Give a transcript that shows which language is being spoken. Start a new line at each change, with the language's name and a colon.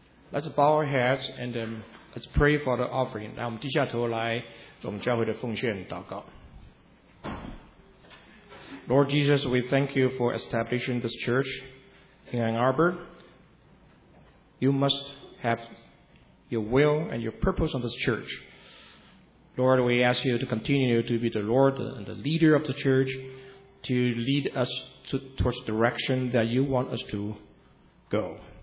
English: Let's bow our heads and let's pray for the offering.
Chinese: 来，我们低下头来做我们教会的奉献祷告。
English: Lord Jesus, we thank you for establishing this church in Ann Arbor. You must have your will and your purpose on this church. Lord, we ask you to continue to be the Lord and the leader of the church, to lead us towards the direction that you want us to go.